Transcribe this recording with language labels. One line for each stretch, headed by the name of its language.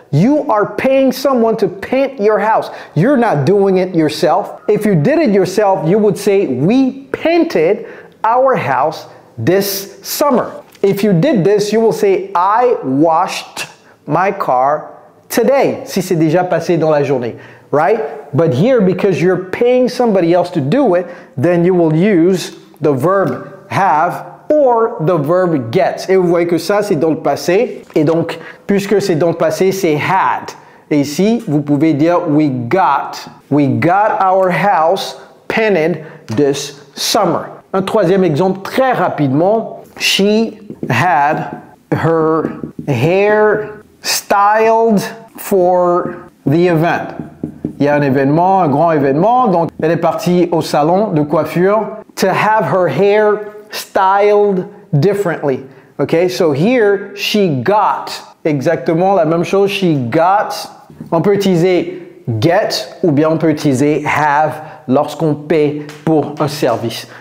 English: You are paying someone to paint your house. You're not doing it yourself. If you did it yourself, you would say, we painted our house this summer. If you did this, you will say, I washed my car today.
French: Si c'est déjà passé dans la journée, right?
English: But here, because you're paying somebody else to do it, then you will use the verb have or the verb get.
French: Et vous voyez que ça, c'est dans le passé. Et donc, puisque c'est dans le passé, c'est had. Et ici, vous pouvez dire
English: we got our house painted this summer.
French: Un troisième exemple très rapidement.
English: She had her hair styled for the event.
French: Il y a un événement, un grand événement, donc elle est partie au salon de coiffure.
English: To have her hair styled differently. Okay, so here, she got,
French: exactement la même chose,
English: she got.
French: On peut utiliser get ou bien on peut utiliser have lorsqu'on paye pour un service.